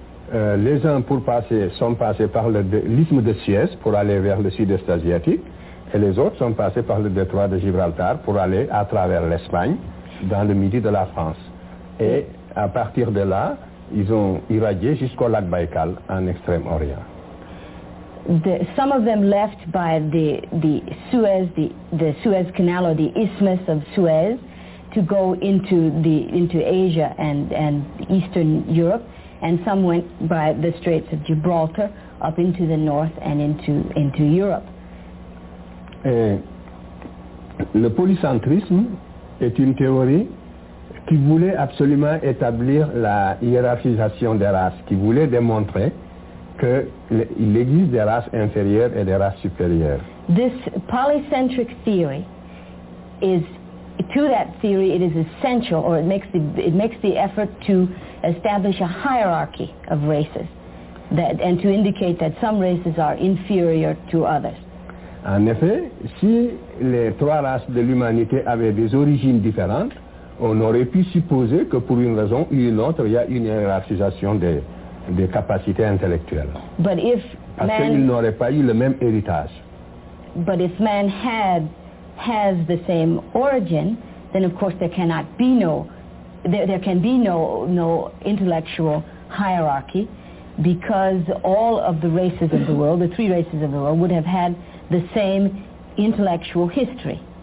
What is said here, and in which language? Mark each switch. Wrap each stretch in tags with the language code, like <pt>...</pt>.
<fr>Les uns sont passés par l'isthme de Suez pour aller vers le sud-est asiatique. Et les autres sont passés par le détroit de Gibraltar pour aller à travers l'Espagne, dans le midi de la France. Et à partir de là, ils ont irradié jusqu'au lac Baïkal, en Extrême-Orient.</fr> <en>Some of them left by the Suez Canal or the Isthmus of Suez to go into Asia and Eastern Europe, and some went by the Straits of Gibraltar up into the north and into Europe.</en> <fr>Et le polycentrisme est une théorie qui voulait absolument établir la hiérarchisation des races, qui voulait démontrer que il existe des races inférieures et des races supérieures.</fr> <en>This polycentric theory is, to that theory, it is essential, or it makes the effort to establish a hierarchy of races, that and to indicate that some races are inferior to others.</en> <fr>En effet, si les trois races de l'humanité avaient des origines différentes, on aurait pu supposer que pour une raison ou une autre, il y a une hiérarchisation des capacités intellectuelles.</fr> <en>But if</en> <fr>parce qu'ils n'auraient pas eu le même héritage.</fr> <en>But if man has the same origin, then of course there cannot be no intellectual hierarchy, because all of the races of the world, the three races of the world, would have had the same intellectual history.</en>